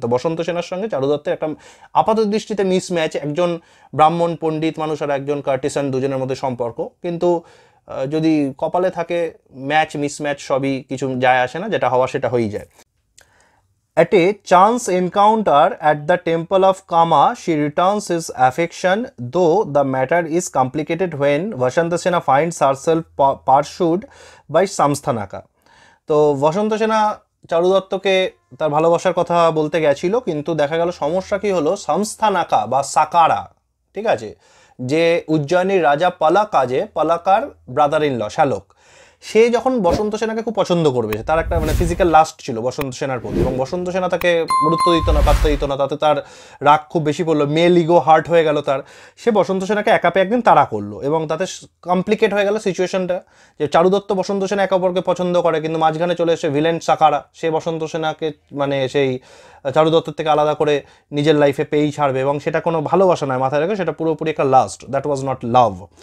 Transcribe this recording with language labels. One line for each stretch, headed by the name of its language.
Bangla: তো বসন্ত সেনার সঙ্গে চারুদত্তের একটা আপাত দৃষ্টিতে মিসম্যাচ, একজন ব্রাহ্মণ পণ্ডিত মানুষ আর একজন কার্টিসান, দুজনের মধ্যে সম্পর্ক, কিন্তু যদি কপালে থাকে ম্যাচ মিসম্যাচ সবই কিছু যায় আসে না, যেটা হওয়া সেটা হয়েই যায়।
English: At a chance encounter at the temple of Kama, she returns his affection, though the matter is complicated when Vasanta Sena finds herself pursued by Samsthanaka.
Bangla: So, Vasanta Sena, চারুদত্তকে তার ভালোবাসার কথা বলতে গেছিল, কিন্তু দেখা গেল সমস্যা কি হলো, সামস্থানাকা বা সাকারা, ঠিক আছে, যে উজ্জয়িনীর রাজা পালাকা, যে পালাকার ব্রাদার ইন ল শালক, সে যখন বসন্ত সেনাকে খুব পছন্দ করবে, তার একটা মানে ফিজিক্যাল লাস্ট ছিল বসন্ত সেনার প্রতি, এবং বসন্ত সেনা তাকে গুরুত্ব দিত না, পাত্তা দিত না, তাতে তার রাগ খুব বেশি পড়লো, মেল ইগো হার্ট হয়ে গেল তার, সে বসন্ত সেনাকে একাপে একদিন তাড়া করলো এবং তাতে কমপ্লিকেট হয়ে গেল সিচুয়েশনটা, যে চারুদত্ত বসন্ত সেনা একে অপরকে পছন্দ করে কিন্তু মাঝখানে চলে এসে ভিলেন সাকারা, সে বসন্ত সেনাকে মানে সেই চারুদত্তর থেকে আলাদা করে নিজের লাইফে পেয়েই ছাড়বে, এবং সেটা কোনো ভালোবাসা নয় মাথায় রেখে, সেটা পুরোপুরি একটা last,
English: That was not love.